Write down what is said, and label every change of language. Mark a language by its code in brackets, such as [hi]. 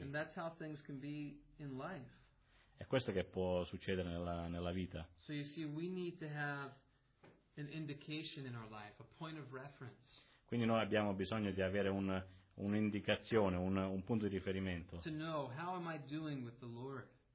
[en] And that's how things can be in life. [it] È questo che può succedere nella vita. [en] So you see, we need to have an indication in our life, a point of reference. [it] Quindi noi abbiamo bisogno di avere un'indicazione, un punto di riferimento. [en] To know how am I doing with the Lord.